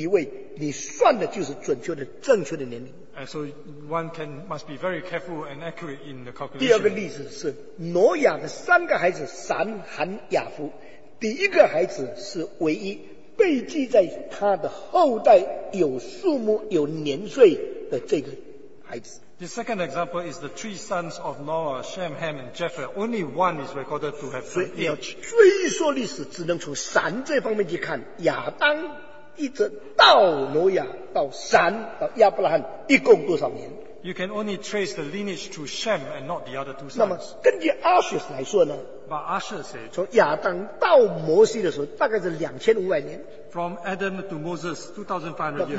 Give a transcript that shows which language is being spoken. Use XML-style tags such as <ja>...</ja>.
<zh>所以这样的那个年龄跟年代就不能够随便以为你算的就是准确的正确的年龄。</zh> <en>And so one must be very careful and accurate in the calculation.</en> <zh>第二个例子是挪亚的三个孩子闪、含、雅弗，第一个孩子是唯一被记在他的后代有数目、有年岁的这个孩子。</zh> <en>The second example is the three sons of Noah, Shem, Ham, and Japheth. Only one is recorded to have been age.</en> <zh>所以要追溯历史，只能从闪这方面去看亚当。一直到挪亚到闪到亚伯拉罕一共多少年？</zh> <en>You can only trace the lineage to Shem and not the other two sons.</en> <zh>那么根据阿舍来说呢？</zh> <en>But Usher said,</en> <zh>从亚当到摩西的时候大概是2500年。</zh> <en>From Adam to Moses, 2500 years.</en>